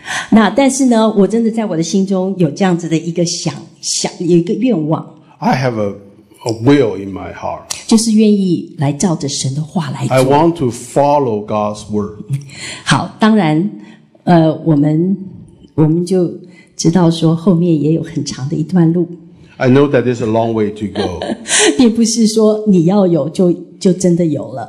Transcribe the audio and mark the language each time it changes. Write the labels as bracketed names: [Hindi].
[Chinese] 那但是呢，我真的在我的心中有这样子的一个想有一个愿望。 [English] I have a will in my heart. [Chinese] 就是愿意来照着神的话来做。 [English] I want to follow God's word. [Chinese] 好，当然，我们就知道说后面也有很长的一段路。 [English] I know that there's a long way to go. [Chinese] 并不是说你要有就真的有了。